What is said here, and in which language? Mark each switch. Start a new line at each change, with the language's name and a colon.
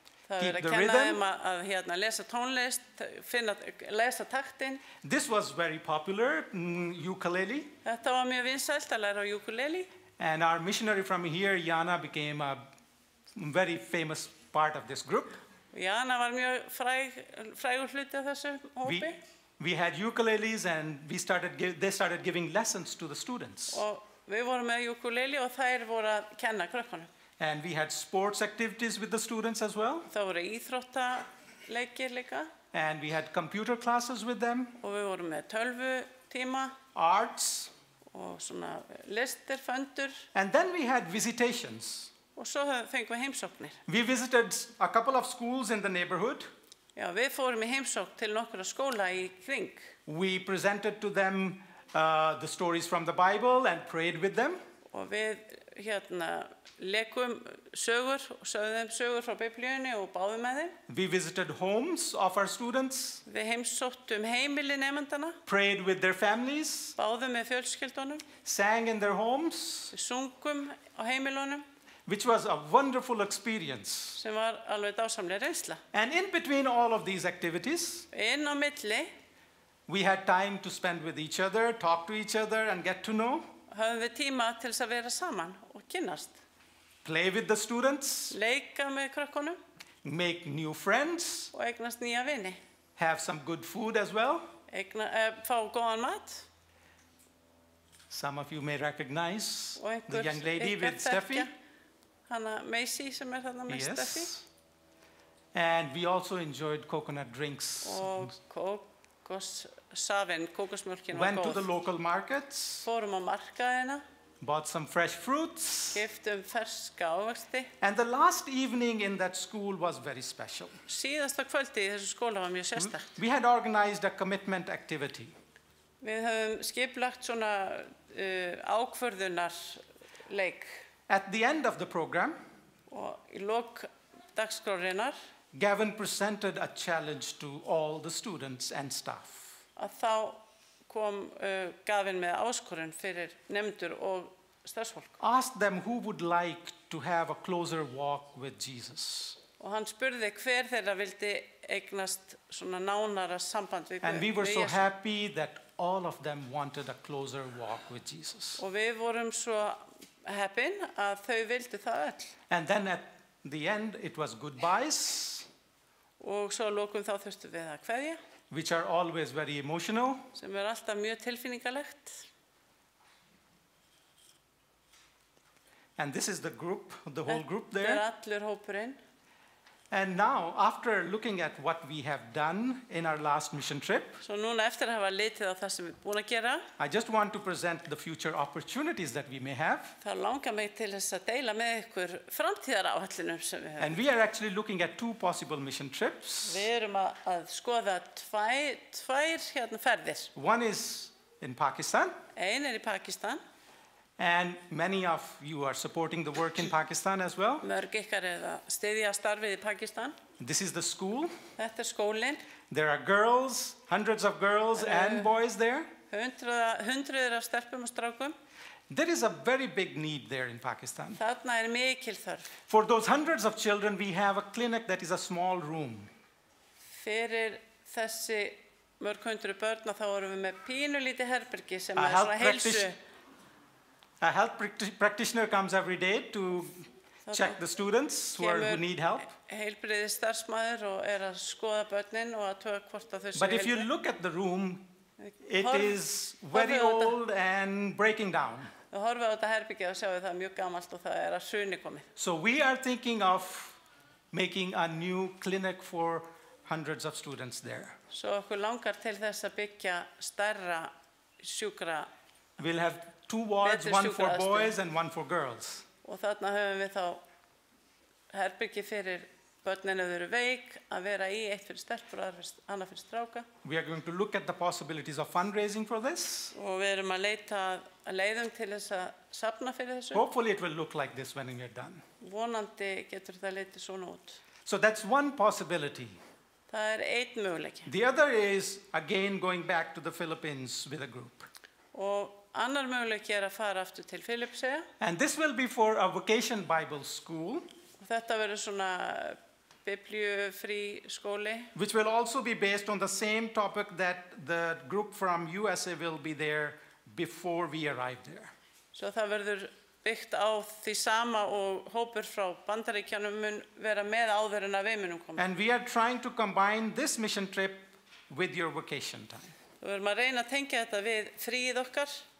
Icelandic: Það er að kenna þeim að hérna lesa tónlist, finna lesa taktin.
English: This was very popular, ukulele.
Icelandic: Þetta var mjög vinsælt að læra ukulele.
English: And our missionary from here, Jana, became a very famous part of this group.
Icelandic: Jana var mjög frægur hluti af þessu hópi.
English: We had ukuleles and they started giving lessons to the students.
Icelandic: Og Við vorum með ukulele og þær voru að kenna krökkunum.
English: And we had sports activities with the students as well.
Icelandic: Það voru íþróttaleikir líka.
English: And we had computer classes with them.
Icelandic: Og við vorum með tölvutíma.
English: Arts.
Icelandic: Og svona listir, föndur.
English: And then we had visitations.
Icelandic: Og svo fengum við heimsóknir.
English: We visited a couple of schools in the neighborhood.
Icelandic: Já, við fórum í heimsókn til nokkra skóla í kring.
English: We presented to them the stories from the Bible and prayed with them.
Icelandic: Og við hérna lekum sögur og sögðum sögur frá Biblíunni og báðum með þeim.
English: We visited homes of our students.
Icelandic: Við heimsóttum heimili nemendanna.
English: Prayed with their families.
Icelandic: Báðum með fjölskyldunum.
English: Sang in their homes.
Icelandic: Við sungum á heimilunum.
English: Which was a wonderful experience.
Icelandic: Sem var alveg dásamleg reynsla.
English: And in between all of these activities,
Icelandic: inn á milli,
English: we had time to spend with each other, talk to each other and get to know.
Icelandic: Höfum við tíma til að vera saman og kynnast.
English: Play with the students.
Icelandic: Leika með krökkunum.
English: Make new friends.
Icelandic: Og eignast nýja vini.
English: Have some good food as well.
Icelandic: Fá góðan mat.
English: Some of you may recognize the young lady with Steffi.
Icelandic: Hanna Macy sem þarna með
English: yes. Steffi. And we also enjoyed coconut drinks.
Icelandic: Og kókosafinn, kókosmjólkin var góð.
English: Went to the local markets.
Icelandic: Fórum á markaðina.
English: Bought some fresh fruits.
Icelandic: Keyptum ferska ávexti.
English: And the last evening in that school was very special.
Icelandic: Síðasta kvöldið í þessu skóla var mjög sérstakt.
English: We had organized a commitment activity.
Icelandic: Við höfum skipulagt svona ákvörðunarleik.
English: At the end of the program,
Icelandic: og í lok dagskrárinnar,
English: Gavin presented a challenge to all the students and staff.
Icelandic: Að þá kom Gavin með áskorun fyrir nefndur og starfsfólk.
English: Ask them who would like to have a closer walk with Jesus.
Icelandic: Og hann spurði hver þeirra vildi eignast svona nánara samband við Guð.
English: And we were so happy that all of them wanted a closer walk with Jesus.
Icelandic: Og við vorum svo happen að þau vildu það öll.
English: And then at the end it was goodbyes.
Icelandic: Og svo lokum þá þurftum við að kveðja.
English: Which are always very emotional.
Icelandic: Sem er alltaf mjög tilfinningalegt.
English: And this is the group, the whole group there.
Icelandic: Þetta er allur hópurinn.
English: And now after looking at what we have done in our last mission trip.
Icelandic: Svo núna eftir að hafa litið á það sem við búin að gera.
English: I just want to present the future opportunities that we may have.
Icelandic: Þá langar mig til þess að deila með ykkur framtíðaráætlunum sem við höfum.
English: And we are actually looking at two possible mission trips.
Icelandic: Við erum að skoða tvær hérna ferðir.
English: One is in Pakistan.
Icelandic: Ein er í Pakistan.
English: And many of you are supporting the work in Pakistan as well.
Icelandic: Mörg ykkar er að styðja starfið í Pakistan.
English: This is the school.
Icelandic: Þetta er skólinn.
English: There are girls, hundreds of girls and boys there.
Icelandic: Hundruðir af stelpum og strákum.
English: There is a very big need there in Pakistan.
Icelandic: Þarna er mikil þörf.
English: For those hundreds of children, we have a clinic that is a small room.
Icelandic: Fyrir þessi mörg hundru börn, þá erum við með pínu lítið herbergi sem er svona heilsu.
English: A health practitioner comes every day to check the students who need help.
Icelandic: Heilbrigðis starfsmaður og er að skoða börnin og athuga hvort að þau séu.
English: But if you look at the room, it is very old and breaking down.
Icelandic: Þú horfir á þetta herbergi og sjáir það mjög gamalt og það er að hruni komið.
English: So we are thinking of making a new clinic for hundreds of students there.
Icelandic: Svo okkur langar til þess að byggja stærra sjúkra.
English: We'll have two wards, one for boys and one for girls.
Icelandic: Og þarna höfum við þá herbergi fyrir börnin ef þau eru veik að vera í eitt fyrir stelpur og annað fyrir stráka.
English: We are going to look at the possibilities of fundraising for this.
Icelandic: Og við erum að leita að leiðum til þess að safna fyrir þessu.
English: Hopefully it will look like this when you're done.
Icelandic: Vonandi getur það litið svona út.
English: So that's one possibility.
Icelandic: Það er eitt möguleiki.
English: The other is again going back to the Philippines with a group.
Icelandic: Og annar möguleiki er að fara aftur til Filippseyja.
English: And this will be for a vocation Bible school.
Icelandic: Og þetta verður svona biblíufrí skóli.
English: Which will also be based on the same topic that the group from USA will be there before we arrive there.
Icelandic: Svo það verður byggt á því sama og hópur frá Bandaríkjunum mun vera með áður en að við munum koma.
English: And we are trying to combine this mission trip with your vocation time.
Icelandic: Við erum að reyna að tengja þetta við fríið okkar.